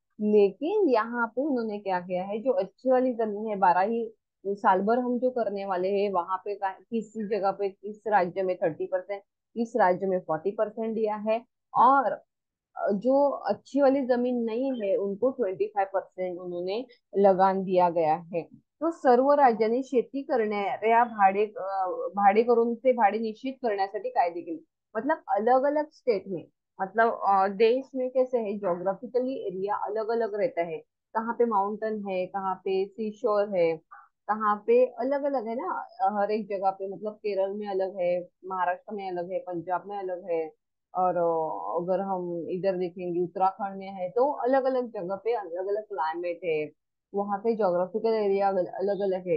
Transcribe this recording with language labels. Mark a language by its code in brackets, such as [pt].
[hi] लेकिन यहाँ पे उन्होंने क्या किया है, जो अच्छी वाली जमीन है 12 ही साल भर हम जो करने वाले हैं वहां पे किस जगह पे किस राज्य में 30%, किस राज्य में 40% दिया है, और जो अच्छी वाली जमीन नहीं है उनको 25% उन्होंने लगान दिया गया है। [mr] तो सर्व राज्याने शेती करण्या या भाडे भाडे करून ते भाडे निश्चित करण्यासाठी कायदे केले। [hi] मतलब अलग अलग स्टेट में, मतलब देश में कैसे है, ज्योग्राफिकली एरिया अलग अलग रहता है, कहाँ पे माउंटेन है, कहाँ पे सी शोर है, कहाँ पे अलग अलग है ना हर एक जगह पे। मतलब केरल में अलग है, महाराष्ट्र में अलग है, पंजाब में अलग है, और अगर हम इधर देखेंगे उत्तराखंड में है, तो अलग अलग जगह पे अलग अलग क्लाइमेट है, वहां पे ज्योग्राफिकल एरिया अलग अलग है।